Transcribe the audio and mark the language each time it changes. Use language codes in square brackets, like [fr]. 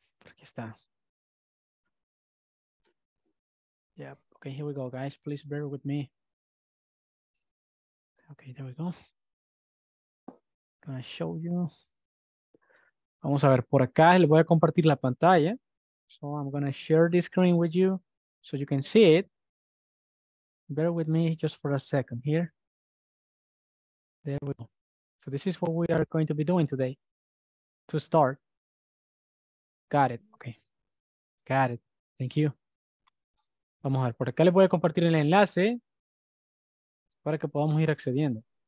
[es] Aquí está. [en] Yep. Okay, here we go, guys. Please bear with me. Okay, there we go. Gonna show you. [es] Vamos a ver, por acá les voy a compartir la pantalla. [en] So I'm gonna share this screen with you so you can see it. Bear with me just for a second here. There we go. So this is what we are going to be doing today to start. Got it. Okay. Got it. Thank you. [es] Vamos a ver, por acá les voy a compartir el enlace para que podamos ir accediendo.